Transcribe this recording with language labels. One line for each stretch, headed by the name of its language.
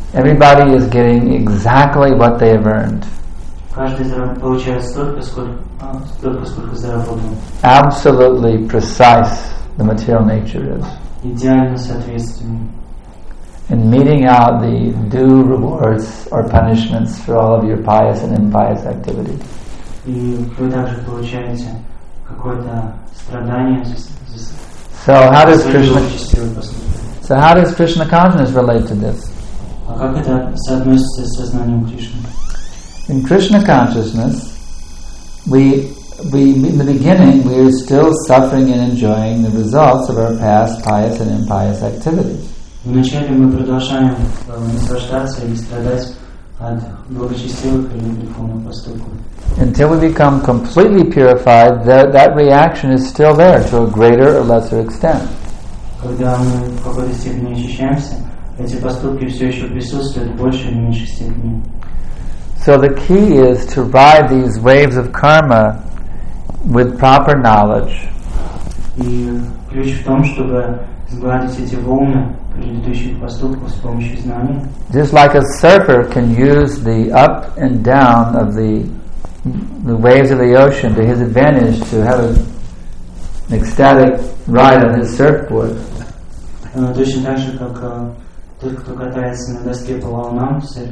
English: Everybody is getting exactly what they have earned.
Russian: Каждый получает столько, сколько заработал.
English: Absolutely precise the material nature is.
Russian: Идеально соответственно.
English: And meeting out the due rewards or punishments for all of your pious and impious activity.
Russian: И вы также получаете какое-то страдание за.
English: So how does Krishna? So how does Krishna consciousness relate to this?
Russian: А как это соотносится с сознанием Кришны?
English: In Krishna consciousness, we in the beginning we are still suffering and enjoying the results of our past pious and impious activities.
Russian: Вначале мы продолжаем наслаждаться и страдать от благочестивых или греховных поступков.
English: Until we become completely purified, that reaction is still there to a greater or lesser extent.
Russian: Когда мы в какой-то степени очищаемся, эти поступки все еще присутствуют в большей или меньшей степени.
English: So the key is to ride these waves of karma with proper knowledge.
Russian: И ключ в том, чтобы сгладить эти волны предыдущих поступков с помощью знаний.
English: Just like a surfer can use the up and down of the waves of the ocean to his advantage to have an ecstatic ride on his surfboard.
Russian: Точно так же, как тот, кто катается на доске по волнам,